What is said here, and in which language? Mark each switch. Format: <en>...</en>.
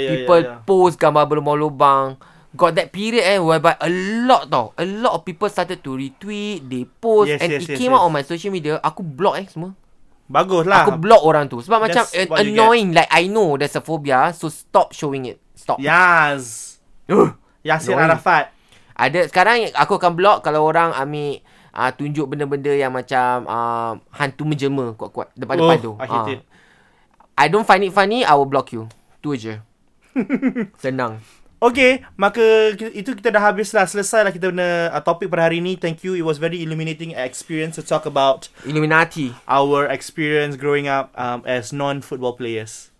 <en>People post</en> <ms>gambar berlumur lubang.</ms> <en>Got that period eh, whereby a lot of people started to retweet, they post, it came out on my social media.</en> <ms>Aku block eh semua. Bagus lah. Aku block orang tu sebab that's macam annoying.</ms> <en>Like I know there's a phobia, so stop showing it. Stop. Yes. Yasir Arafat.</en> <ms>Ada sekarang aku akan block kalau orang ambil tunjuk benda-benda yang macam hantu menjelma kuat-kuat depan-depan tu.</ms> <en>I don't find it funny, I will block you.</en> <ms>Tu je. Senang. Okay, maka itu kita dah habis lah. Selesai lah kita punya topik pada hari ni.</ms> <en>Thank you. It was very illuminating experience to talk about Illuminati. Our experience growing up as non-football players.</en>